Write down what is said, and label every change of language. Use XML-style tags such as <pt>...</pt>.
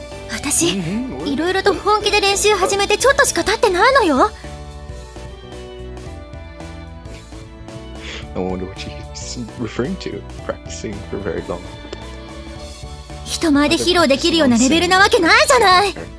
<ja>私、いろいろと本気で練習始めてちょっとしか経ってないのよ。</ja> <en>I wonder what she's referring to, practicing for very long.</en> <ja>人前で披露できるようなレベルなわけないじゃない。</ja>